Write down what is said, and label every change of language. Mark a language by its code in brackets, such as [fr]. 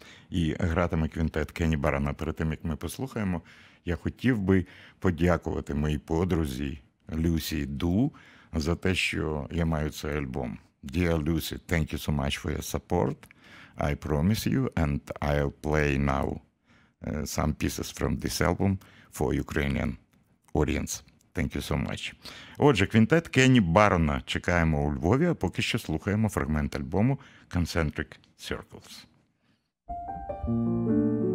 [uk] І гратиме квінтет Кенні Барона. Перед тим, як ми послухаємо, я хотів би подякувати моїй подрузі Люсі Ду за те, що я маю цей альбом. [en] Dear Lucy, thank you so much for your support. I promise you and I'll play now some pieces from this album for Ukrainian audience. Thank you so much. [uk] Отже, квінтет Кенні Барона. Чекаємо у Львові, а поки що слухаємо фрагмент альбому «Concentric Circles». [en] Thank you.